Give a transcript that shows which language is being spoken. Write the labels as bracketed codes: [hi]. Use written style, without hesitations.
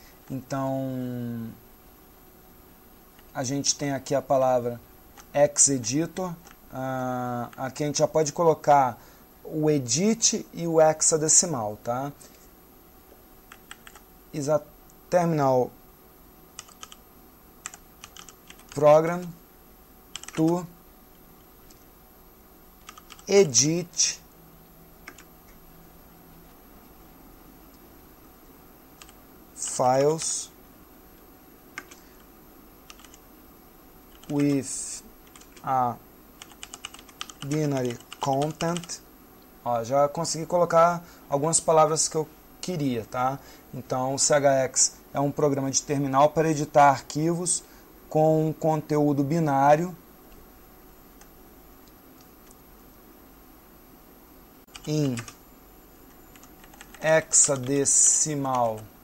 [pt] Então, a gente tem aqui a palavra hexeditor. Aqui a gente já pode colocar o edit e o hexadecimal, tá? [en] Is a terminal program to edit files with a binary content. [pt] Ó, já consegui colocar algumas palavras que eu queria, tá? Então, o CHX é um programa de terminal para editar arquivos com conteúdo binário em hexadecimal.